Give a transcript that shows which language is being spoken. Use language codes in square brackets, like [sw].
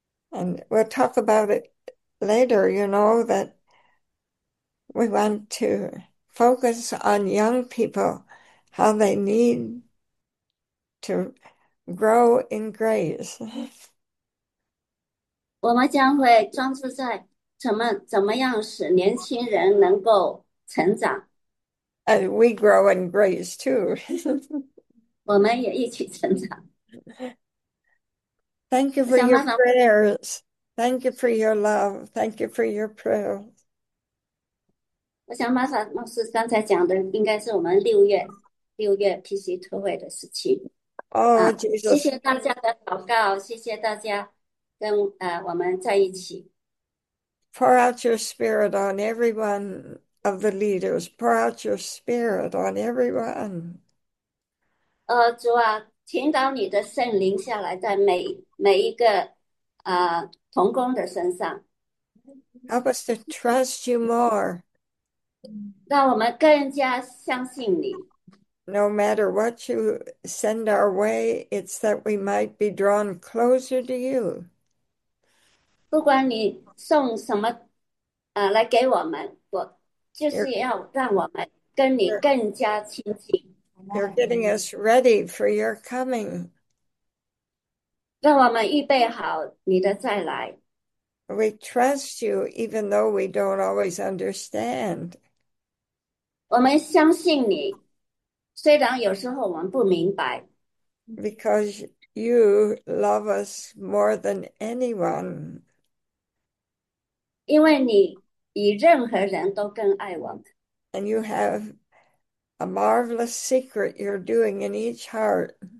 [en] And we'll talk about it later, you know, that we want to focus on young people, how they need to grow in grace. [zh] 我们将会专注在怎么样使年轻人能够成长。 [en] And we grow in grace too. [zh] 我们也一起成长。 [en] Thank you for your prayers. Thank you for your love. Thank you for your prayers. [zh] 我想玛莎牧师刚才讲的应该是我们六月 PC 特会的事情。 [en] Oh, [zh] 啊，谢 [en] Jesus. [zh] 谢大家的祷告，谢谢大家跟我们在一起。 [en] Pour out your spirit on every one of the leaders. Pour out your spirit on everyone. [zh] 主啊，请导你的圣灵下来在每一个童工的身上， [en] Help us to trust you more. [zh] 让我们更加相信你。 [en] No matter what you send our way, it's that we might be drawn closer to you. [zh] 不管你送什么，来给我们，我就是要让我们跟你更加亲近。 [en] You're getting us ready for your coming. [zh] 让我们预备好你的再来。 [en] We trust you even though we don't always understand. [zh] 我们相信你，虽然有时候我们不明白。 [en] Because you love us more than anyone. [zh] 因为你比任何人都更爱我们。 [en] And you have a marvelous secret you're doing in each heart.